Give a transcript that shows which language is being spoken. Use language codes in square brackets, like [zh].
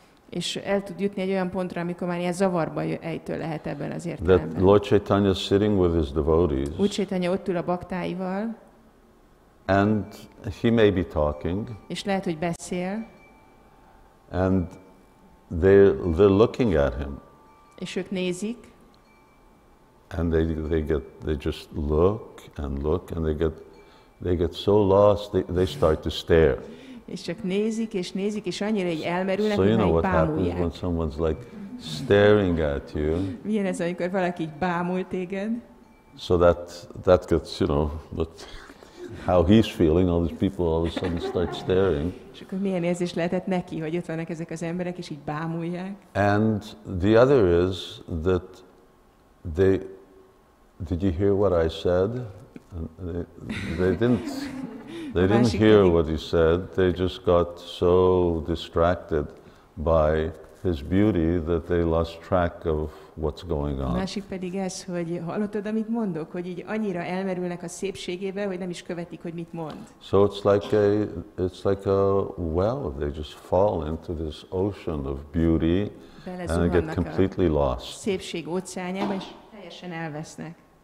[hu] És el tud jutni egy olyan pontra, amikor már ilyen zavarba ejtő lehet ebben az értelemben. [en] That Lord Chaitanya is sitting with his devotees. [hu] Úgy Chaitanya ott ül a baktáival. [en] And he may be talking. [hu] És lehet, hogy beszél. [en] And they're looking at him. [hu] És ők nézik. [en] And they just look and look and they get so lost they start to stare. [hu] És csak nézik, és annyira egy elmerülnek, hogy [en] So you know what happens when someone's like staring at you. [hu] Milyen ez, amikor valaki így bámul téged? [en] So that gets, you know, but how he's feeling, all these people all of a sudden start staring. [hu] És akkor milyen érzés lehetett neki, hogy ott vannak ezek az emberek, és így bámulják? [en] And the other is that they, did you hear what I said? They didn't hear what he said. They just got so distracted by his beauty that they lost track of what's going on. [hu] Másik pedig ez, hogy hallottad, amit mondok, hogy így annyira elmerülnek a szépségébe, hogy nem is követik, hogy mit mond. [en] So it's like a well. They just fall into this ocean of beauty and get completely lost. [hu] Szépség óceánjában, és teljesen elvesznek.